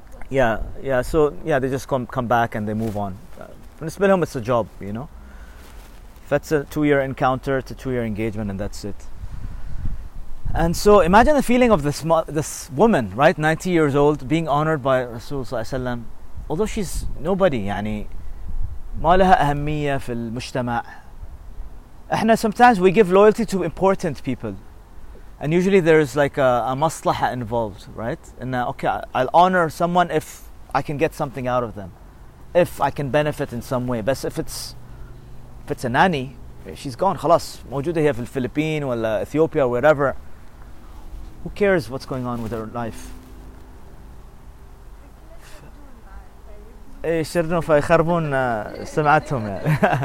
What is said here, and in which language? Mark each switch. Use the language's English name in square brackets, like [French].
[English] Yeah. So yeah, they just come back and they move on. And it's been, it's a job, you know. That's a 2-year encounter, it's a 2-year engagement, and that's it. And so imagine the feeling of this woman, right, 90 years old, being honored by Rasul Sallallahu Alaihi Wasallam, although she's nobody. [Arabic] يعني ما لها أهمية في المجتمع. احنا [English] sometimes we give loyalty to important people. And usually there is like a maslaha involved, right? And okay, I'll honor someone if I can get something out of them, if I can benefit in some way. But if it's a nanny, she's gone. [Arabic] خلاص موجودة هي في الفلبين ولا إثيوبيا [English] or wherever. Who cares what's going on with her life? [Arabic] إيه شردن في خربون سمعتهم يعني.